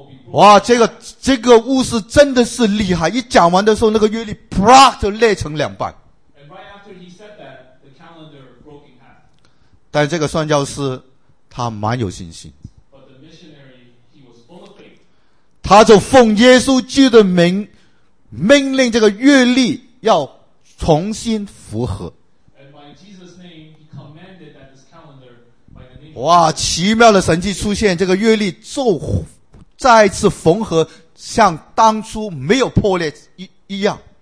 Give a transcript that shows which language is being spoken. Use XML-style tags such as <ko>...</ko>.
<zh>哇，这个巫师真的是厉害，一讲完的时候那个月历啪就裂成两半。</zh> <en>And right after he said that, the calendar broke in half.</en> <zh>但这个算教师他蛮有信心。</zh> <en>But the missionary, he was full of faith.</en> <zh>他就奉耶稣基督的名命令这个月历要重新复合。</zh> <en>And by Jesus' name, he commanded that this calendar by the name.</en> <zh>哇，奇妙的神迹出现，这个月历就再次缝合，像当初没有破裂一样。</zh>